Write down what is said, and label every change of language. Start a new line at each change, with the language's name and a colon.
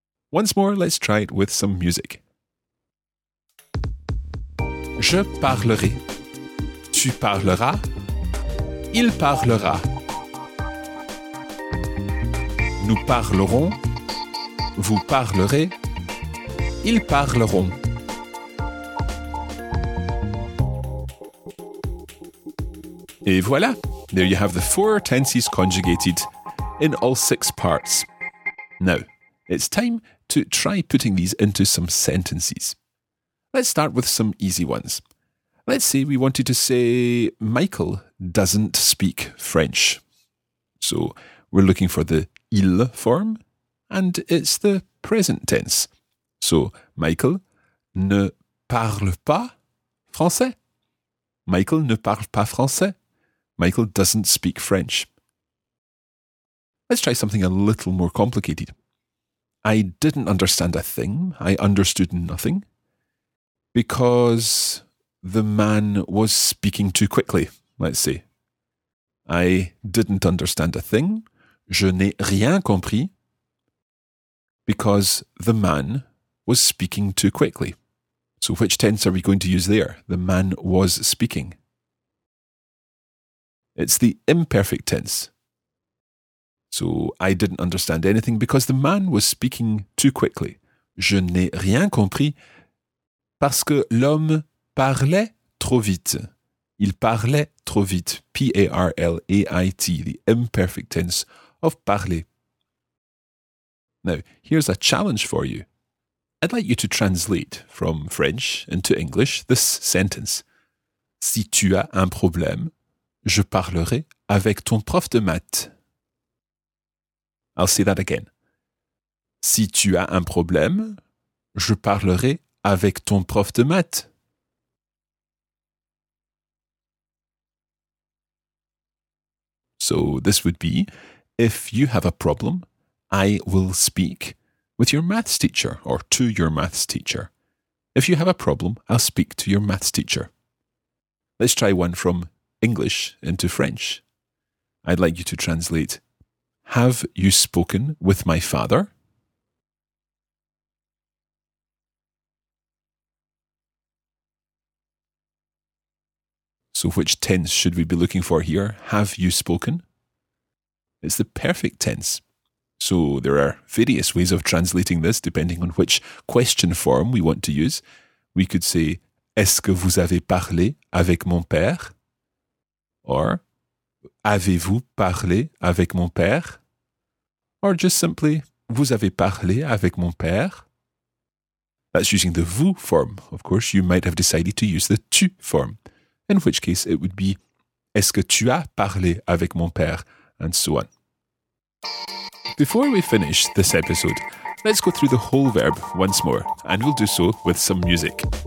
English: Once more, let's try it with some music.
French: Je parlerai, tu parleras, il parlera, nous parlerons, vous parlerez, ils parleront.
English: Et voilà, there you have the four tenses conjugated in all six parts. Now, it's time to try putting these into some sentences. Let's start with some easy ones. Let's say we wanted to say, Michael doesn't speak French. So we're looking for the il form, and it's the present tense.
French: So Michael ne parle pas français. Michael ne parle pas français.
English: Michael doesn't speak French. Let's try something a little more complicated. I didn't understand a thing. I understood nothing. Because the man was speaking too quickly, let's say. I didn't understand a thing.
French: Je n'ai rien compris.
English: Because the man was speaking too quickly. So which tense are we going to use there? The man was speaking. It's the imperfect tense. So I didn't understand anything because the man was speaking too quickly.
French: Je n'ai rien compris parce que l'homme parlait trop vite. Il parlait trop vite.
English: P-A-R-L-A-I-T, the imperfect tense of parler. Now, here's a challenge for you. I'd like you to translate from French into English this sentence.
French: Si tu as un problème, je parlerai avec ton prof de maths.
English: I'll say that again.
French: Si tu as un problème, je parlerai avec ton prof de maths.
English: So this would be, if you have a problem, I will speak with your maths teacher or to your maths teacher. If you have a problem, I'll speak to your maths teacher. Let's try one from English into French. I'd like you to translate, have you spoken with my father? So which tense should we be looking for here? Have you spoken? It's the perfect tense. So there are various ways of translating this depending on which question form we want to use. We could say,
French: est-ce que vous avez parlé avec mon père? Or, avez-vous parlé avec mon père?
English: Or just simply,
French: vous avez parlé avec mon père?
English: That's using the vous form. Of course, you might have decided to use the tu form. In which case, it would be,
French: est-ce que tu as parlé avec mon père?
English: And so on. Before we finish this episode, let's go through the whole verb once more, and we'll do so with some music.